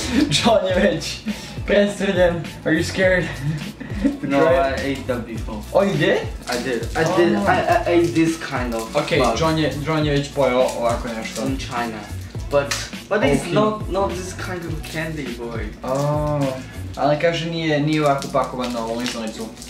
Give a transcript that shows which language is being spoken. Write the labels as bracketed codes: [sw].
[sr] John je već predstavljen. [en] Are you scared? No, I ate that before. Oh, you did? I did. I ate this kind of okay, bug. [sr] John je već pojel ovako nešto. [en] In China. But okay. It's not this kind of candy, boy. Oh. [sr] Ali kaže nije ovako pakovan na ovu lizalicu.